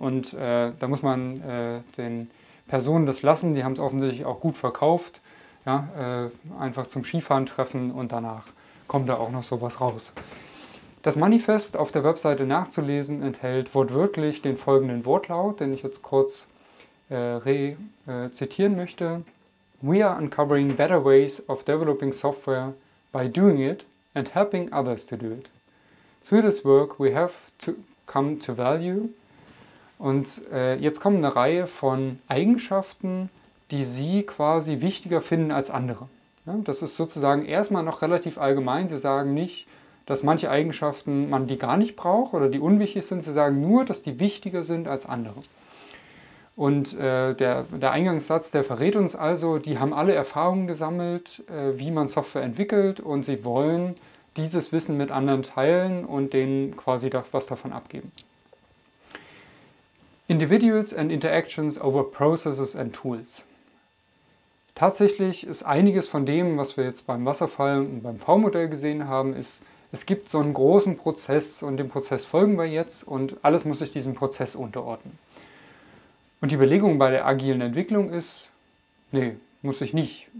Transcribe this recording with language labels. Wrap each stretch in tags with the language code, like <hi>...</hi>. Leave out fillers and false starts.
<de>Und da muss man den Personen das lassen, die haben es offensichtlich auch gut verkauft, ja, einfach zum Skifahren treffen, und danach kommt da auch noch sowas raus. Das Manifest auf der Webseite nachzulesen enthält wortwörtlich den folgenden Wortlaut, den ich jetzt kurz zitieren möchte.</de> <en>We are uncovering better ways of developing software by doing it and helping others to do it. Through this work we have to come to value.</en> <de>Und jetzt kommen eine Reihe von Eigenschaften, die Sie quasi wichtiger finden als andere. Ja, das ist sozusagen erstmal noch relativ allgemein. Sie sagen nicht, dass manche Eigenschaften man die gar nicht braucht oder die unwichtig sind. Sie sagen nur, dass die wichtiger sind als andere. Und der Eingangssatz, der verrät uns also, die haben alle Erfahrungen gesammelt, wie man Software entwickelt, und sie wollen dieses Wissen mit anderen teilen und denen quasi was davon abgeben.</de> <en>Individuals and interactions over processes and tools.</en> <de>Tatsächlich ist einiges von dem, was wir jetzt beim Wasserfall und beim V-Modell gesehen haben, ist, es gibt so einen großen Prozess, und dem Prozess folgen wir jetzt, und alles muss sich diesem Prozess unterordnen. Und die Überlegung bei der agilen Entwicklung ist, nee, muss ich nicht.</de>